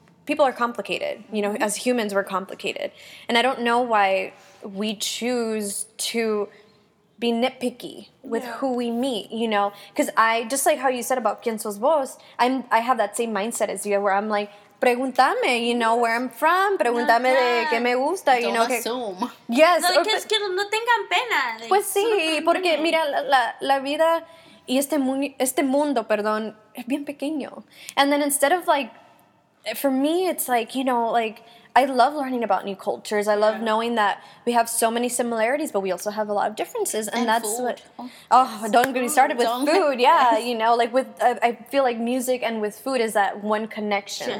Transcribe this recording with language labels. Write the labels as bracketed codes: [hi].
[en] People are complicated, you know, as humans, we're complicated. And I don't know why we choose to be nitpicky with yeah. who we meet, you know, because I, just like how you said about [es] quién sos vos, [en] I have that same mindset as you, where I'm like, pregúntame, you know, where I'm from, pregúntame [es] de qué me gusta, [en] don't you know. Assume. Que, yes. [es] No, es que no tengan pena. Pues sí, porque mira, la vida y este mundo, perdón, es bien pequeño. [en] And then instead of like, for me, it's like, you know, like, I love learning about new cultures. I love yeah. knowing that we have so many similarities, but we also have a lot of differences. And that's food. What... Oh, don't get me started with don't. Food. Yeah, yes. You know, like, with... I feel like music and with food is that one connection